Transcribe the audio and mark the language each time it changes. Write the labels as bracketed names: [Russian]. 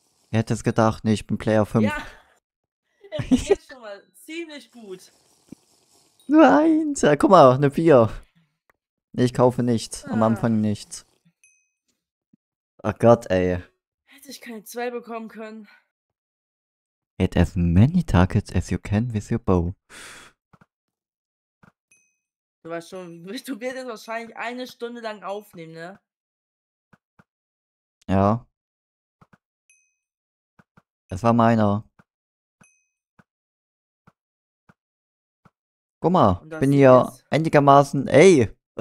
[German] Wer hätte es gedacht? Nee, ich bin Player 5. Ja, geht schon mal ziemlich gut. Nur 1, ja, guck mal, eine 4. Ich kaufe nichts, am Anfang nichts. Ach Gott, ey. Hätte ich keine 2 bekommen können. [English] Hit as many targets as you can with your bow. [German] Du weißt schon, du wirst jetzt wahrscheinlich eine Stunde lang aufnehmen, ne? Ja. Das war meiner. Guck mal, ich bin hier einigermaßen. Ey!